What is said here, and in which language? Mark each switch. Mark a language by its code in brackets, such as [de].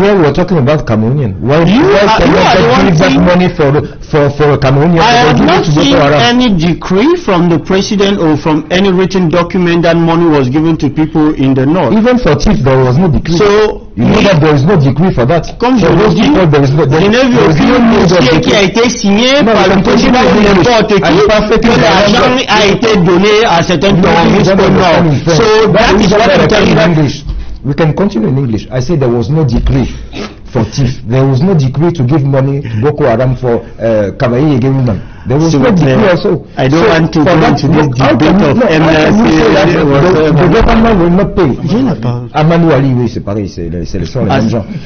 [en] Yeah, we are talking about Cameroonian. Why are you saying that money for Cameroonian? I have not seen any decree from the president or from any written document that money was given to people in the north. Even for chief, there was no decree. So you know that there is no decree for that. [fr] Comme je vous dis, qui a été signé par le président de n'importe qui, que l'argent a été donné à certains terroristes au nord. [en] So that is what I'm telling you. We can continue in English. I said there was no decree for TIF. There was no decree to give money to Boko Haram for Kavai giving them. There was no decree also. I don't want to go into this debate of MSC. The government will not pay. [fr] Amadou Ali, oui, c'est pareil, c'est le sort, les mêmes gens.